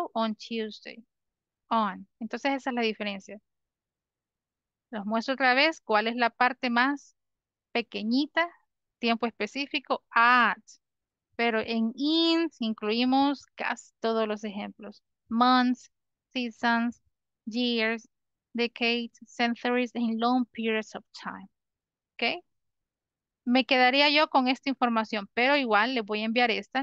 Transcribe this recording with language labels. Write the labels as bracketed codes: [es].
[en] Oh, on Tuesday. [es] On. Entonces esa es la diferencia. Los muestro otra vez cuál es la parte más pequeñita, tiempo específico, at. Pero en INS incluimos casi todos los ejemplos. [en] Months, seasons, years, decades, centuries, and long periods of time. ¿Ok? [es] Me quedaría yo con esta información, pero igual le voy a enviar esta.